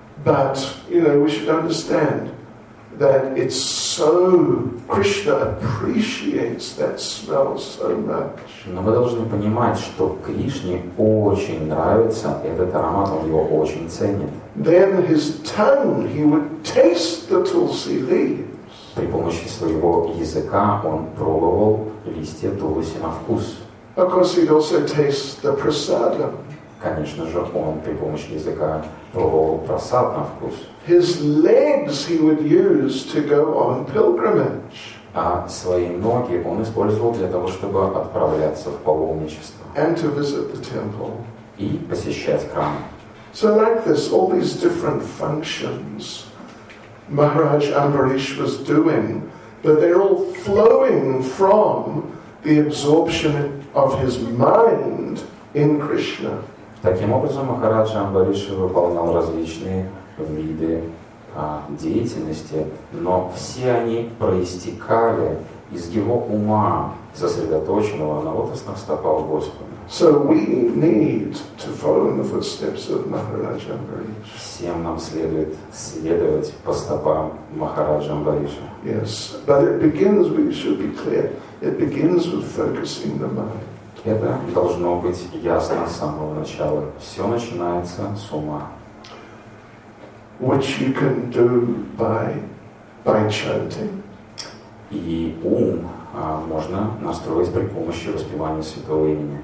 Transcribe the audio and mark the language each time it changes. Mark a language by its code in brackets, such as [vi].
[en] But, you know, we should understand that it's so, Krishna appreciates that smell so much. [ru] Но мы должны понимать, что Кришне очень нравится этот аромат, он его очень ценит. [en] Then his tongue, he would taste the tulsi leaves. [ru] При помощи своего языка он пробовал листья туласи на вкус. [en] Of course, he'd also taste the prasadam. [ru] Конечно же, он при помощи языка пробовал прасад на вкус. [en] His legs he would use to go on pilgrimage. [ru] А свои ноги он использовал для того, чтобы отправляться в паломничество. [en] And to visit the temple. [ru] И посещать храм. [en] So like this, all these different functions Maharaj Ambarish was doing, but they're all flowing from the absorption of his mind in Krishna. [ru] Таким образом, Махарадж Амбариш выполнял различные виды деятельности, но все они проистекали из его ума, сосредоточенного на лотосных стопах Господа. [en] So we need to follow in the footsteps of Maharaj Ambarish. [ru] Всем нам следует следовать по стопам Махараджа Амбариша. [en] Yes, but it begins, we should be clear, it begins with focusing the mind. [ru] Это должно быть ясно с самого начала. Все начинается с ума. [en] Which you can do by chanting. [ru] И ум можно настроить при помощи воспевания святого имени.